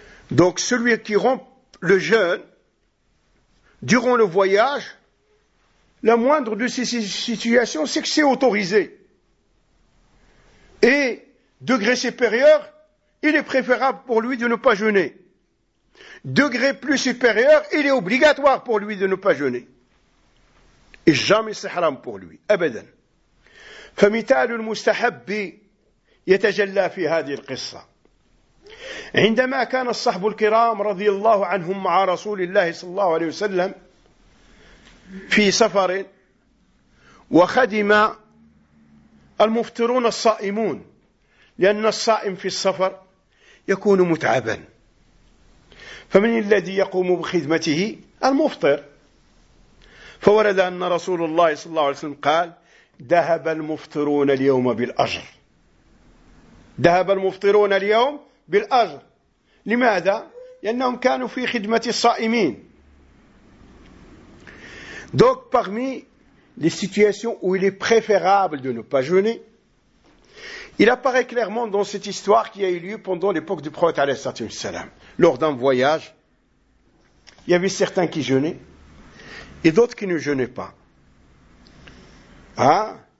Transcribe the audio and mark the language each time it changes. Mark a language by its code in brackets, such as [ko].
[fr] Donc celui qui rompt le jeûne durant le voyage, la moindre de ces situations, c'est que c'est autorisé. Et, degré supérieur, il est préférable pour lui de ne pas jeûner. Degré plus supérieur, il est obligatoire pour lui de ne pas jeûner. Et jamais c'est haram pour lui. [ar] Abadan. فمثال المستحب يتجلى في هذه القصة. عندما كان الصحب الكرام رضي الله عنهم مع رسول الله صلى الله عليه وسلم في سفر، وخدم المفطرون الصائمون، لأن الصائم في السفر يكون متعبا، فمن الذي يقوم بخدمته؟ المفطر. فورد أن رسول الله صلى الله عليه وسلم قال: ذهب المفطرون اليوم بالأجر، ذهب المفطرون اليوم بالأجر. لماذا؟ لأنهم كانوا في خدمة الصائمين. [fr] Donc, parmi les situations où il est préférable de ne pas jeûner, il apparaît clairement dans cette histoire qui a eu lieu pendant l'époque du prophète alayhi salam. Lors d'un voyage, il y avait certains qui jeûnaient et d'autres qui ne jeûnaient pas. Hein?